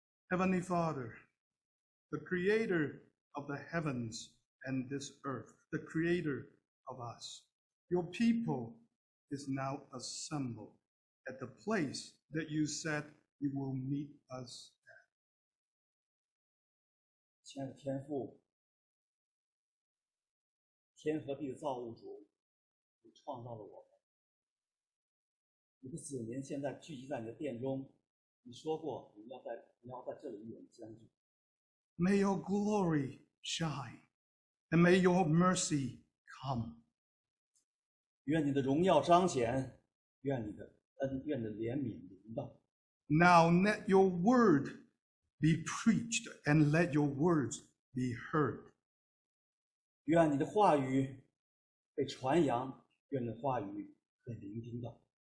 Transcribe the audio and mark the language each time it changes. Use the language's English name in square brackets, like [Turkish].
[English] Heavenly Father, the Creator of the heavens and this earth, the Creator of us, your people is now assembled at the place that you said you will meet us at. [Chinese] 亲爱的天父，天和地的造物主，你创造了我们，你的子民现在聚集在你的殿中。你说过你要在这里与我们相聚。 [English] May your glory shine, and may your mercy come. [Chinese] 愿你的荣耀彰显，愿你的恩，愿你的怜悯临到。 [English] Now let your word be preached, and let your words be heard. [Chinese] 愿你的话语被传扬，愿你的话语被聆听到。